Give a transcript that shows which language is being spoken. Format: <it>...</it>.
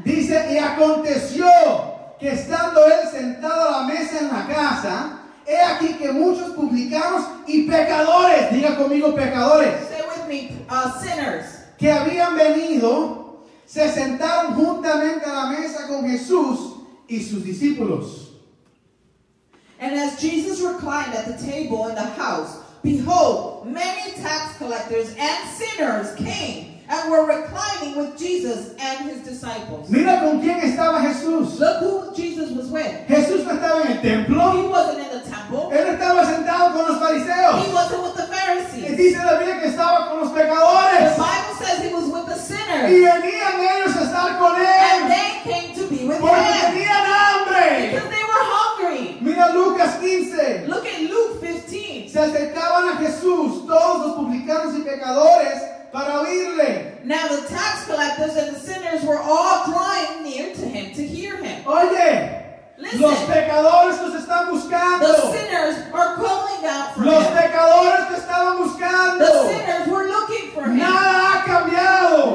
<es>Dice, y aconteció que estando él sentado a la mesa en la casa, he aquí que muchos publicanos y pecadores, diga conmigo pecadores,</es> <en>stay with me, sinners,</en> <es>que habían venido, se sentaron juntamente a la mesa con Jesús y sus discípulos.</es> <en>And as Jesus reclined at the table in the house, behold, many tax collectors and sinners came and were reclining with Jesus and his disciples.</en> <es>Mira con quién estaba Jesús.</es> <en>Look who Jesus was with.</en> <es>Jesús no estaba en el templo.</es> <en>He wasn't in the temple.</en> <es>Él estaba sentado con los fariseos.</es> <en>He wasn't with the Pharisees.</en> <es>Dice la Biblia que estaba con los pecadores.</es> <en>The Bible says he was with the sinners.</en> <es>Y venían ellos a estar con él.</es> <en>And they came to be with</en> <es>porque</es> <en>him.</en> <es>Porque tenían hambre.</es> <en>Because they were hungry.</en> <es>Mira Lucas 15.</es> <en>Look at Luke 15.</en> <es>Se acercaban a Jesús todos los publicanos y pecadores. Para oírle.</es> <en>Now the tax collectors and the sinners were all drawing near to him to hear him.</en> <es>Oye,</es> <en>listen,</en> <es>los pecadores los están buscando.</es> <en>The sinners are calling out for</en> <es>los</es> <en>him.</en> <es>Pecadores te estaban buscando.</es> <en>The sinners were looking for him.</en> <es>Nada ha cambiado.</es>